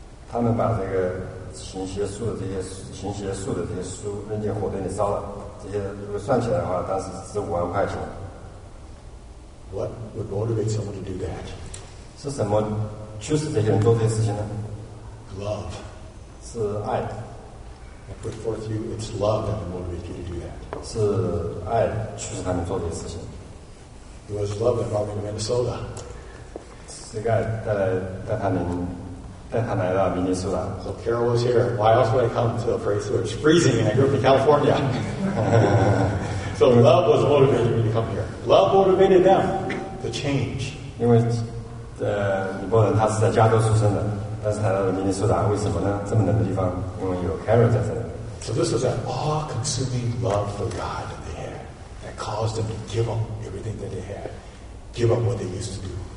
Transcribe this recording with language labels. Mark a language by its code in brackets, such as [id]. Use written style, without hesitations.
[zh] 他们把这个行邪术的这些书扔进火堆里烧了，这些如果算起来的话，当时值五万块钱。 [en] What would motivate someone to do that? [zh] 是什么驱使这些人做这些事情呢？ [en] Love. [zh] 是爱。 [en] I put forth you, it's love that would motivate you to do that. [zh] 是爱驱使他们做这些事情。 [en] It was love that brought me to Minnesota. [zh] 是这个爱带他们但他来到明尼苏达. [en] So Carol was here. Why else would I come to a place where it's freezing and I grew up in California? So love was motivating me to come here. Love motivated them to change. [zh] 因为尼泊尔他是在加州出生的，但是来到了明尼苏达，为什么呢？这么冷的地方，因为有Carol在这里. [en] So this was an awe-consuming love for God that they had that caused them to give up everything that they had, give up what they used to do.